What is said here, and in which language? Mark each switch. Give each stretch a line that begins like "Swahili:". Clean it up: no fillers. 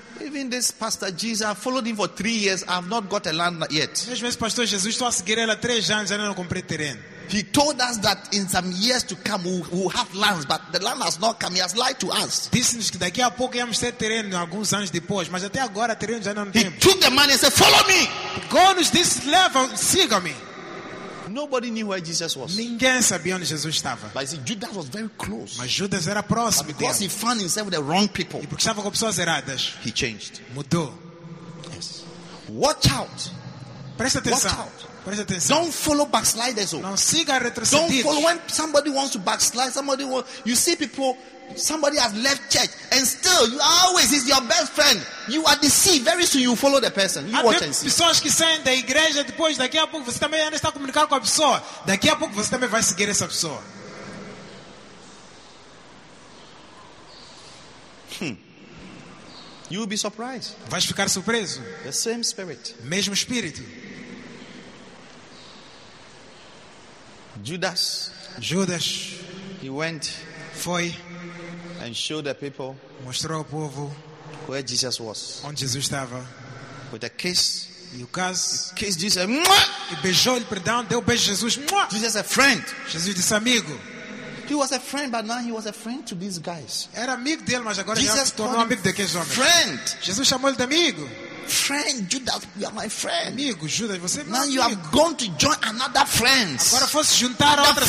English: Even this pastor Jesus, I followed him for 3 years. I've not got a land yet.
Portuguese: Mesmo esse pastor Jesus, estou a seguir ele há 3 anos e ainda não comprei terreno.
English: He told us that in some years to come we'll have lands, but the land has not come. He has lied to us.
Portuguese: Disse-nos que daqui a pouco íamos ter terreno, alguns anos depois, mas até agora terreno já não temos.
English: He took the money and said, follow me. Go on this level,
Portuguese: siga me.
English: Nobody knew where Jesus was.
Portuguese: Ninguém sabia onde Jesus estava.
English: But see, Judas was very close.
Portuguese: Mas Judas era próximo dele.
English: Because he found himself with the wrong people.
Portuguese: E porque estava com pessoas erradas.
English: He changed.
Portuguese: Mudou.
English: Yes. Watch out.
Portuguese: Presta atenção.
English: Watch out.
Portuguese: Presta atenção.
English: Don't follow backsliders.
Portuguese: Não siga retrocedidos.
English: Don't follow when somebody wants to backslide. Somebody wants. You see people. Somebody has left church and still you always is your best friend. You are deceived. Very soon you follow the person. You watch and see.
Portuguese: Pessoas que saem da igreja depois daqui a pouco você também ainda está comunicando com a pessoa. Daqui a pouco você também vai seguir essa pessoa.
English: You will be surprised.
Portuguese: Vais ficar surpreso.
English: The same spirit.
Portuguese: Mesmo espírito.
English: Judas.
Portuguese: Judas.
English: He went.
Portuguese: Foi.
English: And show the people.
Portuguese: Mostrou ao povo.
English: where Jesus was.
Portuguese: Onde Jesus estava.
English: With a kiss.
Portuguese: E o caso.
English: He kissed Jesus. Mwah!
Portuguese: E beijou-lhe, perdão, deu beijo a Jesus. Mwah!
English: Jesus, a friend.
Portuguese: Jesus disse amigo.
English: He was a friend, but now he was a friend to these guys.
Portuguese: Era amigo dele, mas agora Jesus se tornou amigo daqueles homens.
English: Friend.
Portuguese: Jesus chamou-lhe de amigo.
English: Friend, Judas, you are my friend.
Portuguese: Amigo, Judas, você é meu
English: now
Portuguese: amigo.
English: You are going to join another friends.
Portuguese: Agora fosse juntar
English: other
Portuguese: outras